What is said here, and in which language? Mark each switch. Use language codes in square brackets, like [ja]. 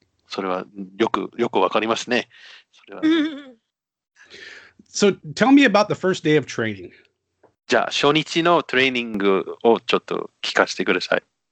[ja] それはよくわかりますね。 [en] So tell me about the first day of training. [ja] じゃあ初日のトレーニングをちょっと聞かせてください。